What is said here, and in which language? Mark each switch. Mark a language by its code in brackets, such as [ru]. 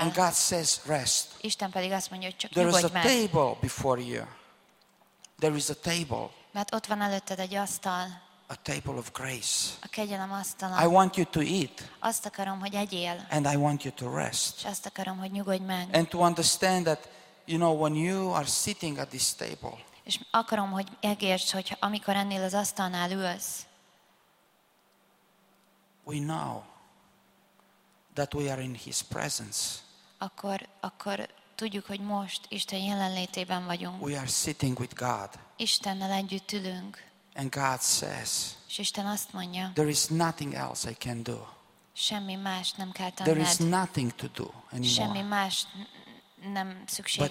[en] And God says, rest. [hu] Isten pedig azt mondja, hogy csak [en] there [hu] nyugodj meg. [en] There is a table before you. There is a table. [hu] Mert ott van előtted egy asztal. [en] A table of grace. [hu] A kegyelem asztala. [en] I want you to eat. [hu] Azt akarom, hogy egyél. [en] And I want you to rest. [hu] És azt akarom, hogy nyugodj meg. [en] And to understand that, you know, when you are sitting at this table. [hu] És akarom, hogy megértsd, hogy amikor ennél az asztalnál ülsz. [en] We know that we are in his presence. [hu] Akkor tudjuk, hogy most Isten jelenlétében vagyunk. [en] We are sitting with God. [hu] Istennel együtt ülünk. [en] And God says. [hu] És Isten azt mondja. [en] There is nothing else I can do. [hu] Semmi más nem kell tenned. [en] There is nothing to do anymore. [hu] Semmi más nem szükséges.